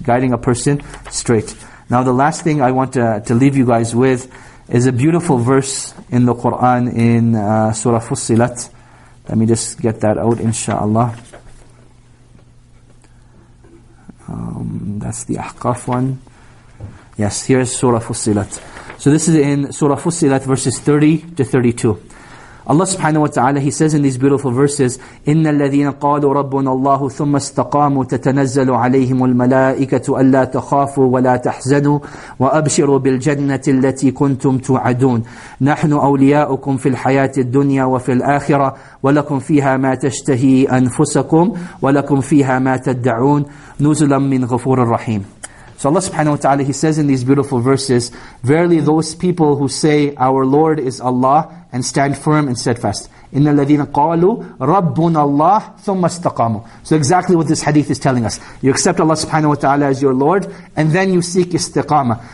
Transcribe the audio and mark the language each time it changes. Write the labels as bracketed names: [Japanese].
[English] Guiding a person straight. Now the last thing I want to leave you guys with is a beautiful verse in the Qur'an in Surah Fussilat. Let me just get that out, inshaAllah. That's the Ahqaf one. Yes, here's Surah Fussilat. So this is in Surah Fussilat, verses 30 to 32. Allah subhanahu wa ta'ala, He says in these beautiful verses, [Arabic] إِنَّ الَّذِينَ قَالُوا رَبُّنَ اللَّهُ ثُمَّ اسْتَقَامُوا تَتَنَزَّلُ عَلَيْهِمُ الْمَلَائِكَةُ أَلَّا تَخَافُوا وَلَا تَحْزَنُوا وَأَبْشِرُوا بِالْجَنَّةِ الَّتِي كُنْتُمْ تُوعَدُونَ نَحْنُ أَوْلِيَاؤُكُمْ فِي الْحَيَاةِ الدُّنْيَا وَفِي الْآخِرَةِ وَلَكُمْ فِيهَا مَا تَشْتَهِي أَنفُسَكُمْ وَلَكُمْ فِيهَا مَا تَدَّعُونَ نُزُلًا مِّنْ غَفُورٍ رَّحِيمٍ. [English] So Allah subhanahu wa ta'ala, He says in these beautiful verses, verily those people who say, our Lord is Allah, and stand firm and steadfast. [Arabic] إِنَّ الَّذِينَ قَالُوا رَبُّنَ اللَّهِ ثُمَّ اسْتَقَامُوا. [English] So exactly what this hadith is telling us. You accept Allah subhanahu wa ta'ala as your Lord, and then you seek istiqamah.